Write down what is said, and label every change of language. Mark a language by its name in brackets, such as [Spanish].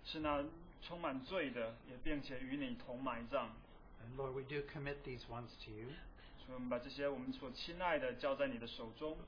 [Chinese] 我们能够承认我们的旧我是那充满罪的, 也并且与你同埋葬。 [English] And Lord, we do commit these ones to you. [Chinese] 所以我们把这些我们所亲爱的交在你的手中。